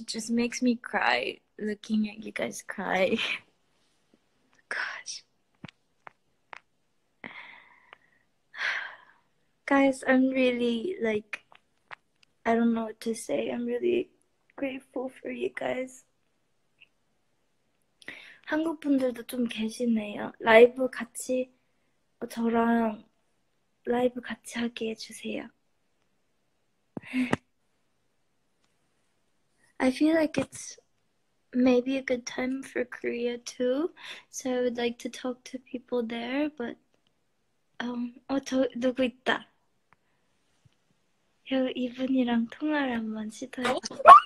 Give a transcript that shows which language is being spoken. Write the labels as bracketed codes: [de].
[en] It just makes me cry looking at you guys cry. Gosh. Guys, I'm really like, I don't know what to say. I'm really grateful for you guys. [ko] 한국 분들도 좀 계시네요. 라이브 같이 저랑 라이브 같이 하게 해주세요. [en] I feel like it's maybe a good time for Korea too. So I would like to talk to people there, but [ko] 누구 있다? 요 이분이랑 통화를 한번 시도해볼게요.